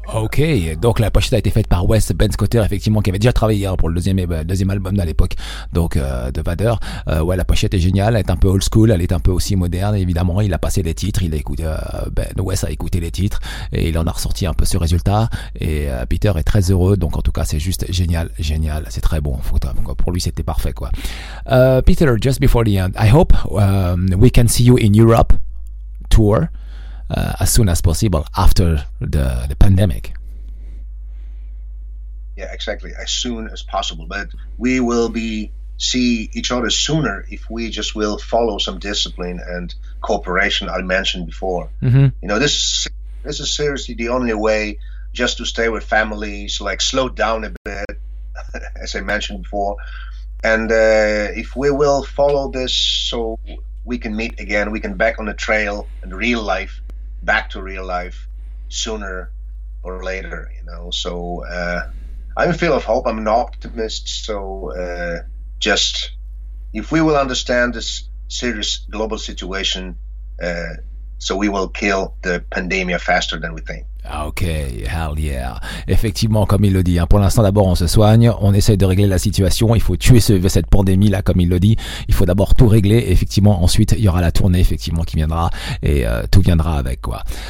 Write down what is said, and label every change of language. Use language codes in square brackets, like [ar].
[fr] Ok, donc la pochette a été faite par Wes Benscoter, effectivement, qui avait déjà travaillé pour le deuxième album à l'époque, donc de Vader. Ouais, la pochette est géniale, elle est un peu old school, elle est un peu aussi moderne, évidemment. Il a passé les titres, Wes a écouté les titres, et il en a ressorti un peu ce résultat, et Peter est très heureux. Donc en tout cas, c'est juste génial, génial, c'est très bon, pour lui c'était parfait quoi. [en] Peter, just before the end, I hope we can see you in Europe tour. As soon as possible after the pandemic. Yeah, exactly. As soon as possible. But we will see each other sooner if we just will follow some discipline and cooperation I mentioned before. You know, this is seriously the only way just to stay with families, like slow down a bit, as I mentioned before. And if we will follow this so we can meet again, we can back on the trail in real life, back to real life sooner or later, you know. So I'm full of hope, I'm an optimist, so just if we will understand this serious global situation, so we will kill the pandemic faster than we think. Ok, hell yeah. [fr] Effectivement, comme il le dit, hein, pour l'instant, d'abord, on se soigne, on essaye de régler la situation, il faut tuer cette pandémie-là, comme il le dit, il faut d'abord tout régler, et effectivement, ensuite, il y aura la tournée, effectivement, qui viendra, et tout viendra avec, quoi.